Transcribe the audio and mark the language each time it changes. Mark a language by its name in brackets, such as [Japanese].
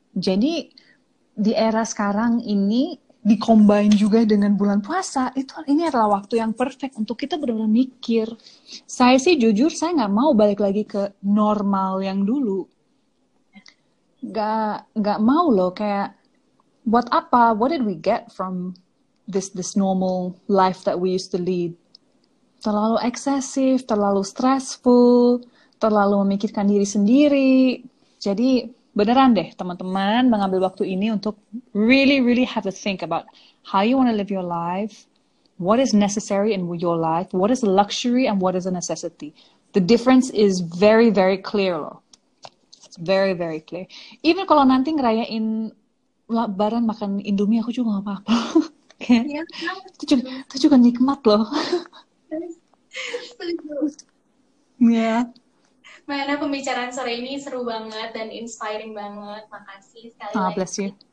[Indonesian] Jadi di era sekarang ini dikombin juga dengan bulan puasa, itu ini adalah waktu yang perfect untuk kita benar-benar mikir. Saya sih jujur saya nggak mau balik lagi ke normal yang dulu. Nggak mau loh, kayak buat apa? [English] What did we get from this normal life that we used to lead? [Indonesian] Terlalu eksesif, terlalu stressful, terlalu memikirkan diri sendiri. Jadi beneran deh teman-teman mengambil waktu ini untuk [English] really, really have to think about how you want to live your life, what is necessary in your life, what is a luxury and what is a necessity. The difference is very, very clear loh. It's very, very clear. Even [Indonesian] kalau nanti ngerayain Lebaran makan Indomie aku juga gak apa-apa. Kayak, Iya, itu juga nikmat loh. Ya. Mana pembicaraan sore ini seru banget dan inspiring banget. Makasih sekali [English] Ah, bless [Indonesian] lagi. [English] you.